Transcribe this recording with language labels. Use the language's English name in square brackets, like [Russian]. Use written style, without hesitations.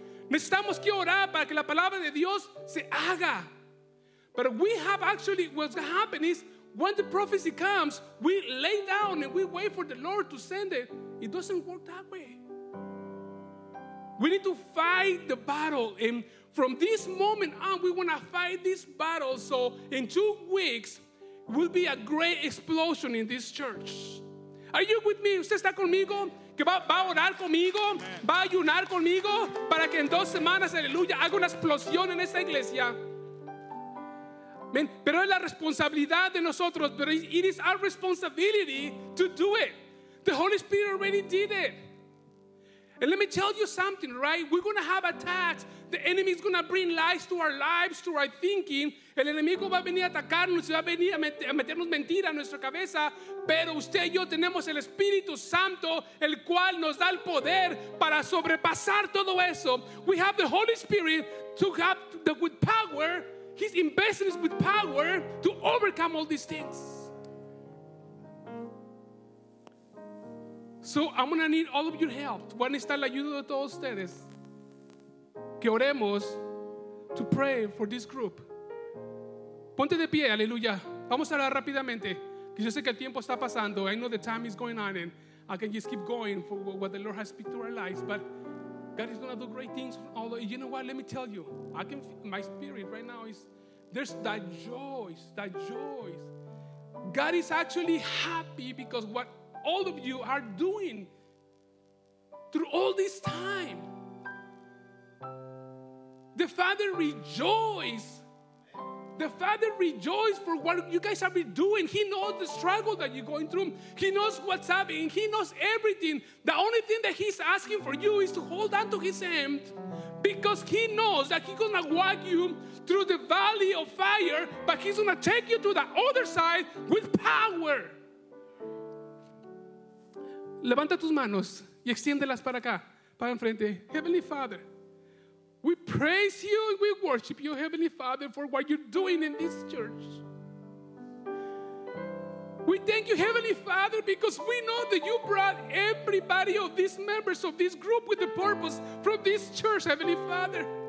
[Spanish] Necesitamos que orar para que la palabra de Dios se haga. [English] But we have actually, what's going to happen is, when the prophecy comes, we lay down and we wait for the Lord to send it. It doesn't work that way. We need to fight the battle. And from this moment on, we want to fight this battle. So in 2 weeks, will be a great explosion in this church. Are you with me? [Spanish] ¿Usted está conmigo? ¿Que va a orar conmigo? ¿Va a ayunar conmigo? Para que en 2 semanas, aleluya, haga una explosión en esta iglesia. Pero es la responsabilidad de nosotros. [English] Pero it is our responsibility to do it. The Holy Spirit already did it. And let me tell you something, right? We're going to have attacks. The enemy is going to bring lies to our lives, to our thinking. [Spanish] El enemigo va a venir a atacarnos y va a venir a meternos mentira en nuestra cabeza. Pero usted y yo tenemos el Espíritu Santo, el cual nos da el poder para sobrepasar todo eso. [English] We have the Holy Spirit to have the with power. He's invested us with power to overcome all these things. So I'm going to need all of your help. [Spanish] Voy a necesitar la ayuda de todos ustedes. Que oremos [English] to pray for this group. [Spanish] Ponte de pie, aleluya. Vamos a hablar rápidamente. Que yo sé que el tiempo está pasando. [English] I know the time is going on and I can just keep going for what the Lord has speak to our lives. But God is going to do great things. Although, you know what? Let me tell you. I can feel my spirit right now is there's that joy. That joy. God is actually happy because what all of you are doing through all this time. The Father rejoices The Father rejoices for what you guys have been doing. He knows the struggle that you're going through. He knows what's happening. He knows everything. The only thing that He's asking for you is to hold on to His hand, because He knows that He's going to walk you through the valley of fire, but He's going to take you to the other side with power. [Spanish] Levanta tus manos y extiéndelas para acá, para enfrente. [English] Heavenly Father, we praise you and we worship you, Heavenly Father, for what you're doing in this church. We thank you, Heavenly Father, because we know that you brought everybody of these members of this group with a purpose from this church, Heavenly Father.